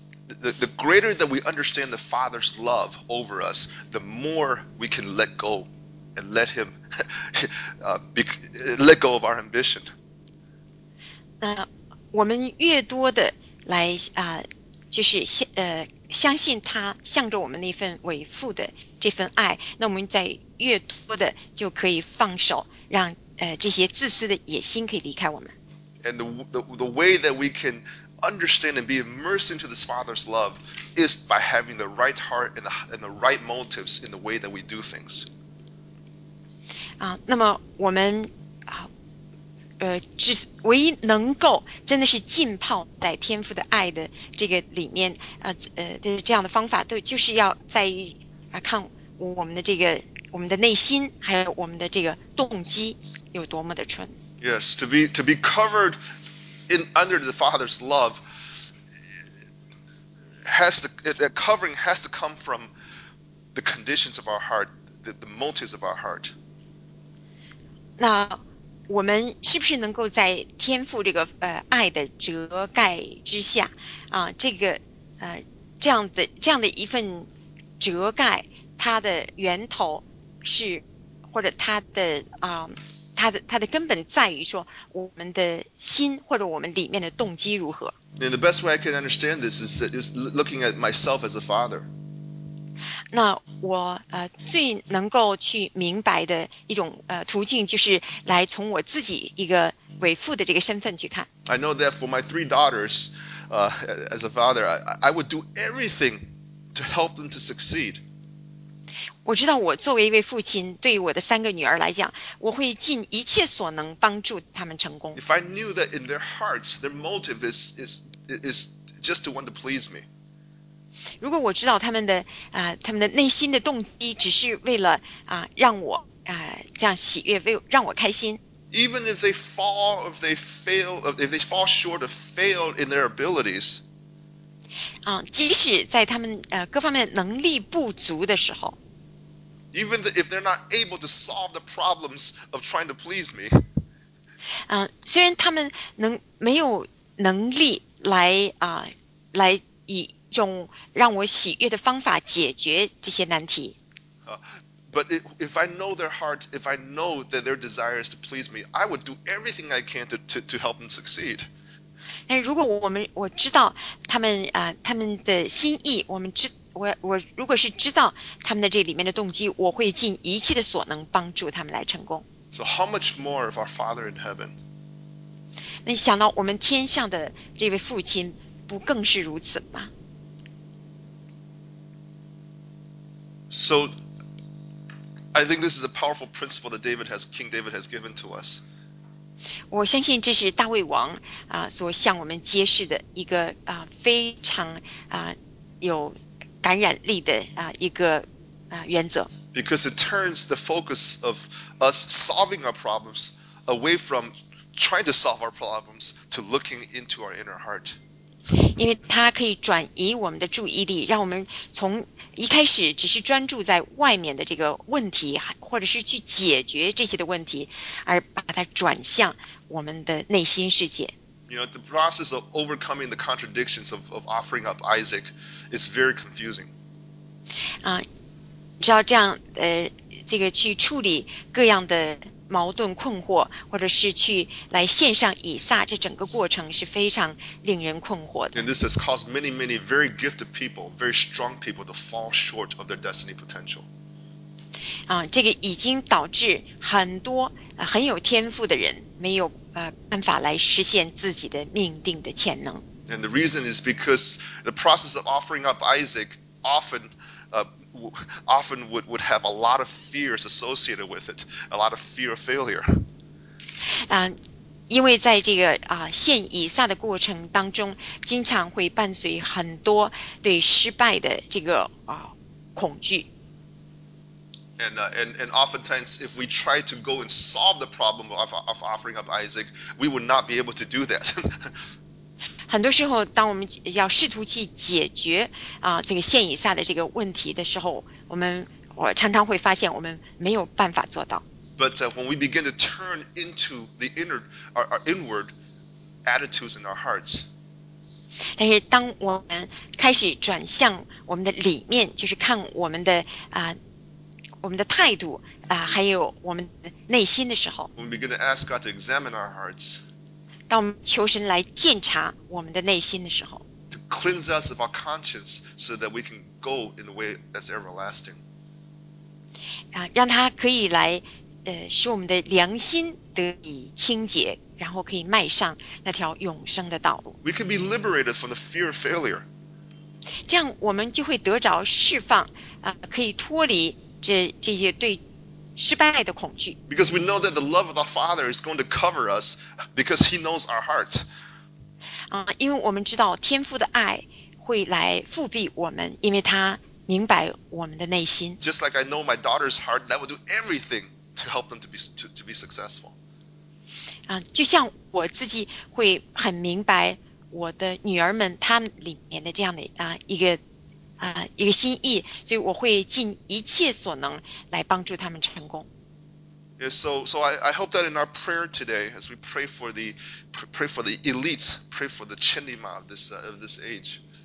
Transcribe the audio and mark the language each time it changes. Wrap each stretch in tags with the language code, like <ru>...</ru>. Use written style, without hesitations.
<en>And the greater that we understand the Father's love over us, the more we can let go. And let him let go of our ambition.</en> <zh>我们越多的来就是相信他向着我们那份为父的这份爱，那我们在越多的就可以放手，让这些自私的野心可以离开我们。</zh> <en>And the way that we can understand and be immersed into this Father's love is by having the right heart and the right motives in the way that we do things.</en> <zh>那么我们只唯一能够真的是浸泡在天父的爱的这个里面这样的方法对就是要在于看我们的这个我们的内心还有我们的这个动机有多么的纯。</zh> <en>Yes, to be covered in under the Father's love that covering has to come from the conditions of our heart, the motives of our heart.</en> <zh>那我们是不是能够在天父这个爱的遮盖之下这样的一份遮盖它的源头是或者它的根本在于说我们的心或者我们里面的动机如何。</zh> <en>And the best way I can understand this is looking at myself as a father.</en> <zh>那我最能够去明白的一种途径就是来从我自己一个为父的这个身份去看。</zh> <en>I know that for my three daughters, as a father, I would do everything to help them to succeed.</en> <zh>我知道我作为一位父亲对于我的三个女儿来讲我会尽一切所能帮助他们成功。</zh> <en>If I knew that in their hearts, their motive is just to want to please me.</en> <zh>如果我知道他们的内心的动机只是为了让我这样喜悦，让我开心。</zh> <en>Even if they fall, if they fail, if they fall short of fail in their abilities,</en> <zh>即使在他们各方面能力不足的时候</zh> <en>，Even if they're not able to solve the problems of trying to please me,</en> <zh>虽然他们没有能力来来以。种让我喜悦的方法解决这些难题。</zh> <en>But if I know their heart, if I know that their desire is to please me, I would do everything I can to help them succeed.</en> <zh>但如果我知道他们的心意，我如果是知道他们的这里面的动机，我会尽一切的所能帮助他们来成功。</zh> <en>So how much more of our Father in heaven?</en> <zh>那想到我们天上的这位父亲，不更是如此吗？</zh> <en>So, I think this is a powerful principle that King David has given to us.</en> <zh>我相信这是大卫王所向我们揭示的一个非常有感染力的一个原则。</zh> <en>Because it turns the focus of us solving our problems away from trying to solve our problems to looking into our inner heart.</en> <zh>因为它可以转移我们的注意力，让我们从一开始只是专注在外面的这个问题，或者是去解决这些的问题，而把它转向我们的内心世界。</zh> <en>You know, the process of overcoming the contradictions of offering up Isaac is very confusing.</en> <zh>只要这样，这个去处理各样的矛盾困惑，或者是去来献上以撒，这整个过程是非常令人困惑的。</zh> <en>And this has caused many, many very gifted people, very strong people to fall short of their destiny potential.</en> <zh>这个已经导致很多很有天赋的人没有办法来实现自己的命定的潜能。</zh> <en>And the reason is because the process of offering up Isaac often would have a lot of fears associated with it, a lot of fear of failure.</en> <zh>因为在这个献以撒的过程当中，经常会伴随很多对失败的这个恐惧。</zh> <en>And oftentimes, if we try to go and solve the problem of offering up Isaac, we would not be able to do that.</en> <zh>很多时候，当我们要试图去解决这个献以撒的这个问题的时候，我常常会发现我们没有办法做到。</zh> <en>But when we begin to turn into the inner, our inward attitudes in our hearts,</en> <zh>但是，当我们开始转向我们的里面，就是看我们的态度还有我们的内心的时候，</zh> <en>when we begin to ask God to examine our hearts,</en> <zh>当我们求神来检查我们的内心的时候，</zh> <en>to cleanse us of our conscience so that we can go in the way that's everlasting.</en> <zh>让他可以来，使我们的良心得以清洁，然后可以迈上那条永生的道路。</zh> <en>We can be liberated from the fear of failure.</en> <zh>这样我们就会得着释放，可以脱离这些对失败的恐惧。</zh> <en>Because we know that the love of the Father is going to cover us because He knows our heart.</en> <zh>因为我们知道天父的爱会来覆庇我们，因为他明白我们的内心。</zh> <en>Just like I know my daughter's heart, that will do everything to help them to be successful.</en> <zh>就像我自己会很明白我的女儿们她们里面的这样的一个心意，所以我会尽一切所能来帮助他们成功。</zh> <en>Yes, so I hope that in our prayer today, as we pray for the elites, pray for the chinima of this age.</en>